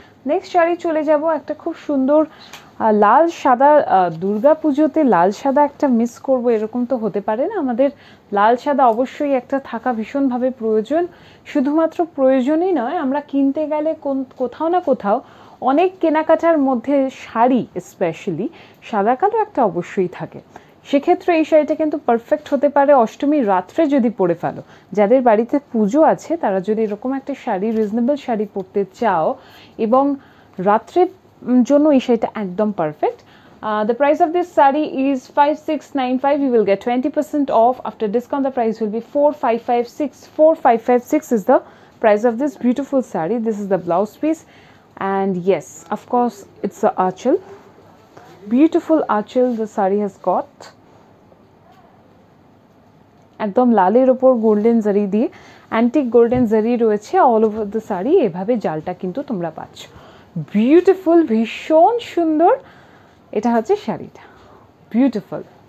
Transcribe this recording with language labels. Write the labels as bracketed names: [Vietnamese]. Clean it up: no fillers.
[Bangla] Next sari চলে যাব, একটা খুব সুন্দর লাল সাদা, দুর্গাপুজোতে লাল সাদা একটা মিস করব এরকম তো হতে পারে না, আমাদের লাল সাদা অবশ্যই একটা থাকা ভীষণভাবে প্রয়োজন, শুধুমাত্র প্রয়োজনই নয়, আমরা কিনতে গেলে কোথাও না কোথাও অনেক কেনাকাটার মধ্যে শাড়ি স্পেশালি সাদা কালো একটা অবশ্যই থাকে, সেক্ষেত্রে এই শাড়িটা কিন্তু পারফেক্ট হতে পারে অষ্টমীর রাত্রে যদি পরে ফেলো। যাদের বাড়িতে পুজো আছে তারা যদি এরকম একটা শাড়ি, রিজনেবল শাড়ি পরতে চাও এবং রাত্রের জন্য এই শাড়িটা একদম perfect. [English] The price of this sari is 5695. You will get 20% off. After discount, the price will be 4556. 4556 is the price of this beautiful sari. This is the blouse piece. And yes, of course, it's a achal. Beautiful achal the sari has got. [Bangla] একদম লালের ওপর golden জারি দিয়ে, antique golden জারি রয়েছে [English] all over the [Bangla] sari. এভাবে জালটা কিন্তু তোমরা পাচ্ছ, বিউটিফুল, ভীষণ সুন্দর। এটা হচ্ছে শাড়িটা, বিউটিফুল।